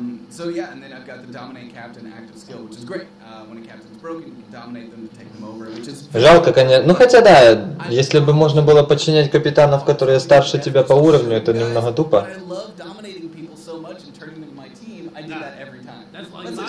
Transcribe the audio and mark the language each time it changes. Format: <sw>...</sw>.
<en>So, yeah, and then I've got the dominate captain active skill, which is great. When a captain's broken, you can dominate them to take them over, which is...</en> <ru>Жалко, конечно. Ну, хотя, да, если бы можно было подчинять капитанов, которые старше тебя по уровню, это немного тупо.</ru> <en>But I love dominating people so much and turning them to my team, I do that every time.</en>